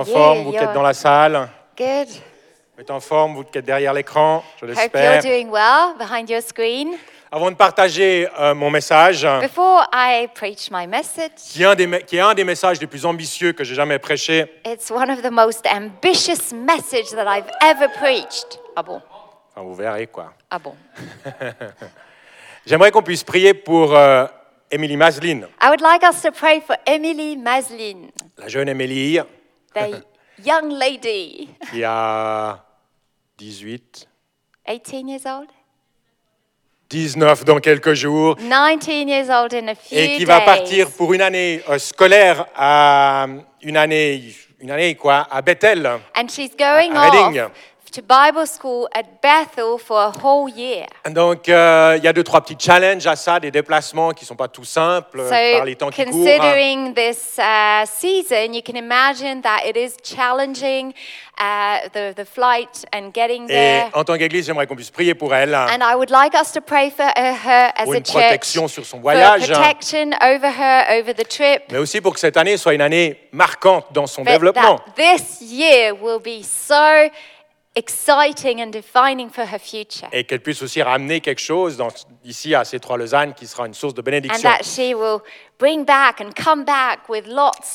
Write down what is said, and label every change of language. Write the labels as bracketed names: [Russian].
[French] Vous êtes en forme, vous qui êtes dans la salle? [English] Good. [French] Vous êtes en forme, vous qui êtes derrière l'écran, je l'espère. [English] Hope you're doing well behind your screen. [French] Avant de partager mon message, [English] before I preach my message, [French] qui est un des messages les plus ambitieux que j'ai jamais prêché. [English] It's one of the most ambitious messages that I've ever preached. [French] Ah bon? Enfin, vous verrez quoi. Ah bon? J'aimerais qu'on puisse prier pour Emily Maslin. [English] I would like us to pray for Emily Maslin. [French] La jeune Emily. [English] The young lady. [French] Qui a 18. [English] 18 years old. [French] 19 dans quelques jours. [English] 19 years old in a few days. [French] Et qui [English] days. [French] Va partir pour une année scolaire à une année quoi à Bethel. [English] And she's going [French] à Reading. [English] To Bible school at Bethel for a whole year. [French] Donc, il y a deux, trois petits challenges à ça, des déplacements qui ne sont pas tout simples [English] so, [French] par les temps qui courent. [English] So, considering this season, you can imagine that it is challenging the flight and getting there. [French] Et en tant qu'église, j'aimerais qu'on puisse prier pour elle. [English] And I would like us to pray for her as a church. [French] Pour une protection sur son voyage. [English] For protection over her, over the trip. [French] Mais aussi pour que cette année soit une année marquante dans son développement. [English] That this year will be so exciting and defining for her future. [French] Et qu'elle puisse aussi ramener quelque chose dans, ici à C3 Lausanne qui sera une source de bénédiction. [English] And that she will bring back and come back with lots